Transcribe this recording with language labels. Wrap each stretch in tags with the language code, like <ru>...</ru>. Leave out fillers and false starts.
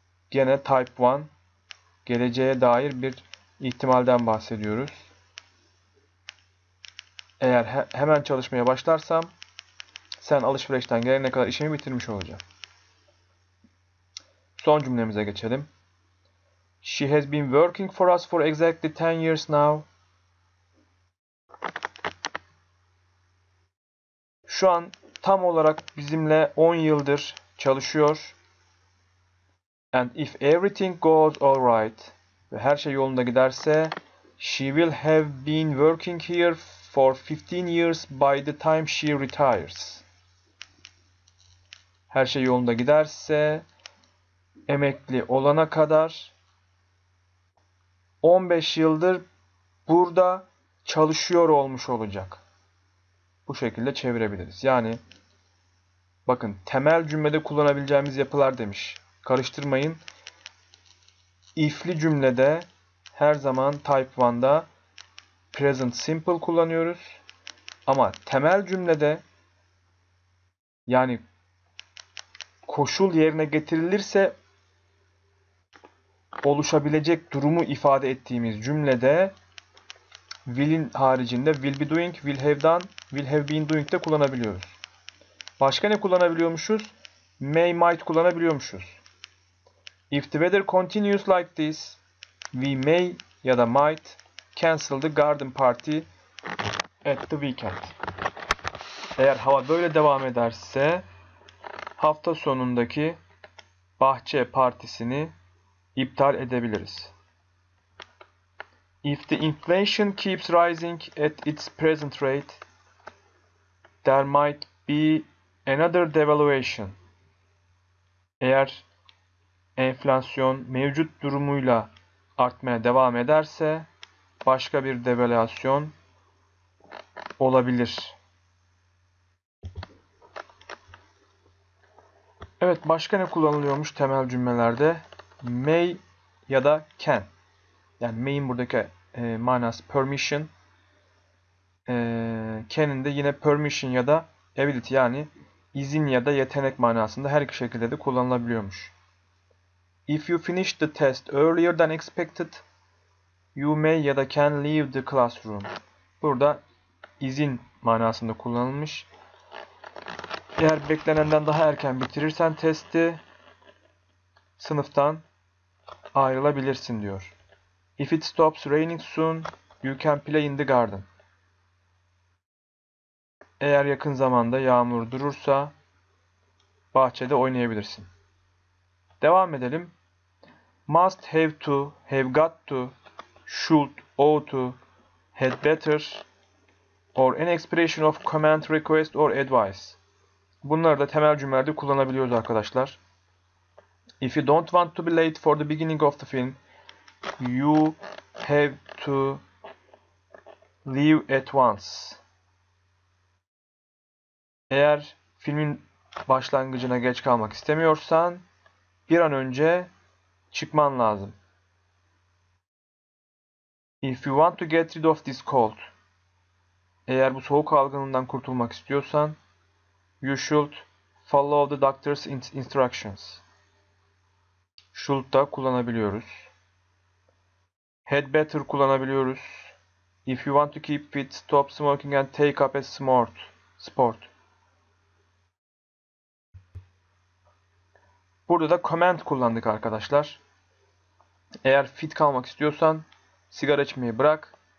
<tr>Gene type 1, geleceğe dair bir ihtimalden bahsediyoruz. Eğer hemen çalışmaya başlarsam, sen alışverişten gelene kadar işimi bitirmiş olacağım. Son cümlemize geçelim.</tr> <en>She has been working for us for exactly 10 years now.</en> <tr>Şu an tam olarak bizimle 10 yıldır çalışıyor.</tr> <en>And if everything goes all right</en> <tr>ve her şey yolunda giderse,</tr> <en>she will have been working here for 15 years by the time she retires.</en> <tr>Her şey yolunda giderse, emekli olana kadar 15 yıldır burada çalışıyor olmuş olacak. Bu şekilde çevirebiliriz. Yani bakın, temel cümlede kullanabileceğimiz yapılar demiş. Karıştırmayın. If'li cümlede her zaman type 1'da present simple kullanıyoruz. Ama temel cümlede, yani koşul yerine getirilirse oluşabilecek durumu ifade ettiğimiz cümlede will'in haricinde will be doing, will have done, will have been doing de kullanabiliyoruz. Başka ne kullanabiliyormuşuz? May, might kullanabiliyormuşuz.</tr> <en>If the weather continues like this, we may</en> <tr>ya da</tr> <en>might cancel the garden party at the weekend.</en> <tr>Eğer hava böyle devam ederse hafta sonundaki bahçe partisini iptal edebiliriz.</tr> <en>If the inflation keeps rising at its present rate, there might be another devaluation.</en> <tr>Eğer enflasyon mevcut durumuyla artmaya devam ederse başka bir devalüasyon olabilir. Evet, başka ne kullanılıyormuş temel cümlelerde? May ya da can. Yani may'in buradaki manası permission. Can'in de yine permission ya da ability, yani izin ya da yetenek manasında her iki şekilde de kullanılabiliyormuş.</tr> <en>If you finish the test earlier than expected, you may</en> <tr>ya da</tr> <en>can leave the classroom.</en> <tr>Burada izin manasında kullanılmış. Eğer beklenenden daha erken bitirirsen testi, sınıftan ayrılabilirsin diyor.</tr> <en>If it stops raining soon, you can play in the garden.</en> <tr>Eğer yakın zamanda yağmur durursa bahçede oynayabilirsin. Devam edelim.</tr> <en>Must have to, have got to, should, ought to, had better, or an expression of command, request or advice.</en> <tr>Bunları da temel cümlelerde kullanabiliyoruz arkadaşlar.</tr> <en>If you don't want to be late for the beginning of the film, you have to leave at once.</en> <tr>Eğer filmin başlangıcına geç kalmak istemiyorsan, bir an önce çıkman lazım.</tr> <en>If you want to get rid of this cold,</en> <tr>eğer bu soğuk algınlığından kurtulmak istiyorsan,</tr> <en>you should follow the doctor's instructions.</en> <tr>Should da kullanabiliyoruz. Had better kullanabiliyoruz.</tr> <en>If you want to keep fit, stop smoking and take up a sport.</en> <tr>Burada da command kullandık arkadaşlar. Eğer fit kalmak istiyorsan sigara içmeyi bırak</tr>